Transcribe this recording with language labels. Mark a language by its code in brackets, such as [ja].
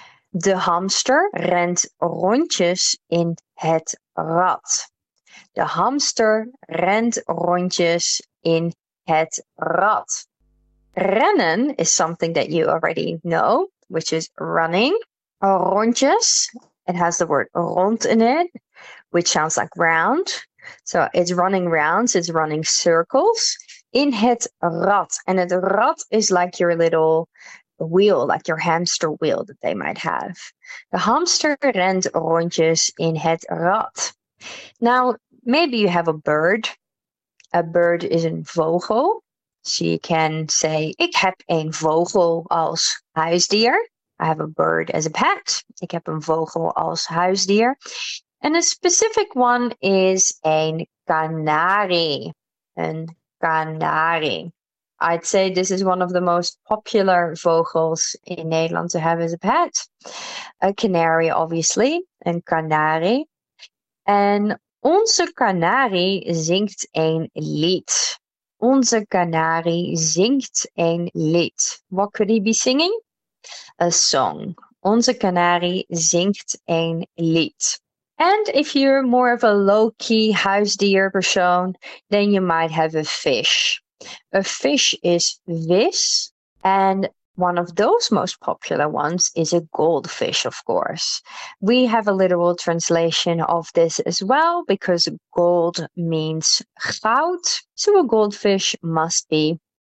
[nl] De hamster rent rondjes in het rad. De hamster rent rondjes in het rad. [en] Rennen is something that you already know, which is running. Rondjes, it has the word rond in it, which sounds like round. So it's running rounds, it's running circles. [nl] In het rad, [en] and [nl] het rad [en] is like your little wheel, like your hamster wheel that they might have. The [nl] hamster rent rondjes in het rad. [en] Now, maybe you have a bird. A bird is [nl] een vogel. [en] So you can say, [nl] ik heb een vogel als huisdier. [en] I have a bird as a pet. [nl] Ik heb een vogel als huisdier. [en] And a specific one is [nl] een kanarie. Een kanarie. [en] I'd say this is one of the most popular [nl] vogels in Nederland [en] to have as a pet. A canary, obviously. [nl] Een kanarie. [en] And [nl] Onze kanarie zingt een lied. Onze kanarie zingt een lied. [en] What could he be singing? A song. [nl] Onze kanarie zingt een lied. [en] And if you're more of a low-key [nl] huisdier persoon, [en] then you might have a fish. A fish is vis, and one of those most popular ones is a goldfish, of course. We have a literal translation of this as well, because gold means goud, so a goldfish must be.